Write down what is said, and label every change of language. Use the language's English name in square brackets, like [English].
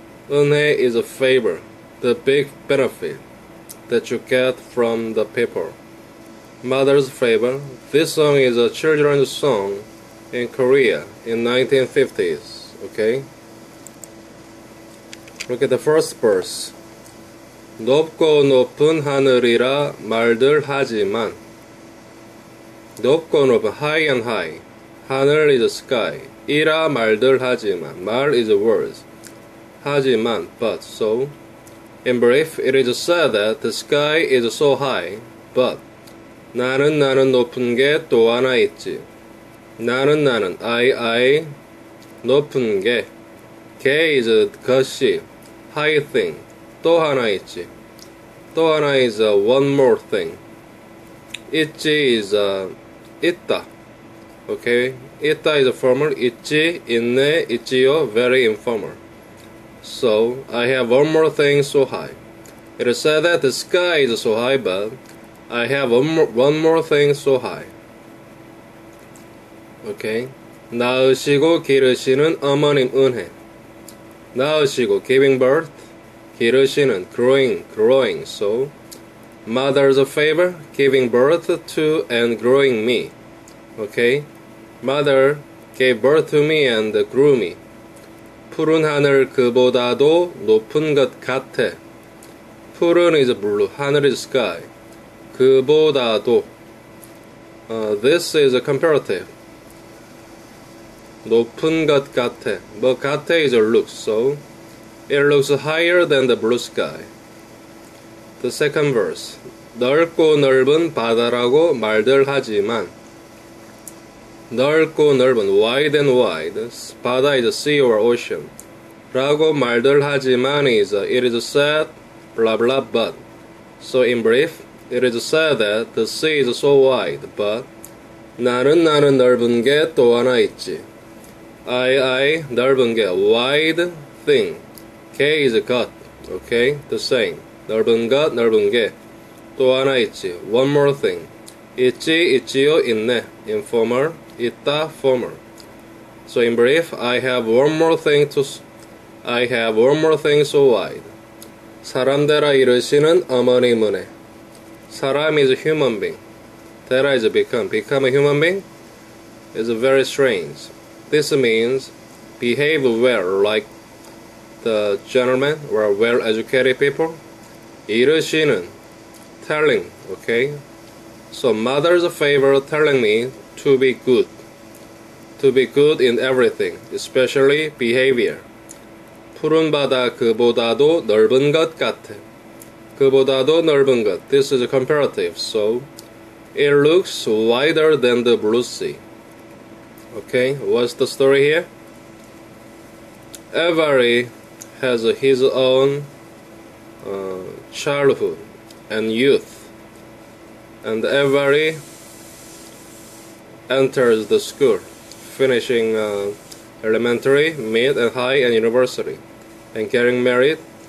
[English] 은혜 is a favor, the big benefit that you get from the people. Mother's favor. This song is a children's song in Korea in 1950s. Okay. Look at the first verse. [Korean] 높고 높은 하늘이라 말들 하지만. 높고 높은, [English] high and high. 하늘 is a sky. [Korean] 이라 말들 하지만. 말 [English] is a word. [Korean] 하지만, [English] but, so. In brief, it is said that the sky is so high, but. [Korean] 나는 높은 게 또 하나 있지. 나는 I 높은 게. 게 is a 것이. [English] High thing. [Korean] 또 하나 있지. [English] 또 하나 is one more thing. 있지 is 있다. Okay. 있다 is a formal. [Korean] 있지, 있네, 있지요. [English] Very informal. So, I have one more thing so high. It is said that the sky is so high, but I have one more thing so high. Okay. [Korean] 낳으시고 기르시는 어머님 은혜. [English] 낳으시고, giving birth. 기르시는, growing. So, mother's favor, giving birth to and growing me. Okay? Mother gave birth to me and grew me. [Korean] 푸른 하늘 그보다도 높은 것 같아. [English] 푸른 is blue, 하늘 is sky. 그보다도. This is a comparative. [Korean] 높은 것 같아. [English] 뭐, 같아 is a look, so. It looks higher than the blue sky. The second verse. [Korean] 넓고 넓은 바다라고 말들 하지만. 넓고 넓은, [English] wide and wide. 바다 is a sea or ocean. [Korean] 라고 말들 하지만 [English] is, it is said, blah blah, but. So in brief, it is said that the sea is so wide, but. [Korean] 나는 넓은 게 또 하나 있지. [English] I 넓은 게, wide thing. K is a gut, okay? The same. [Korean] 넓은 것, 넓은 게. 또 하나 있지. [English] One more thing. [Korean] 있지, 있지요, 있네. Informal. 있다, formal. [English] So in brief, I have one more thing so wide. [Korean] 사람대라 이르시는 어머님 은혜. [English] 사람 is a human being. 대라 is a become. Become a human being is very strange. This means behave well, like the gentlemen were well-educated people. 이르시는, telling, okay? So mother's favor telling me to be good. To be good in everything, especially behavior. [Korean] 푸른 바다 그보다도 넓은 것 같아. 그보다도 넓은 것. [English] This is a comparative, so it looks wider than the blue sea. Okay, what's the story here? Every has his own childhood and youth, and every enters the school, finishing elementary, mid, and high, and university, and getting married,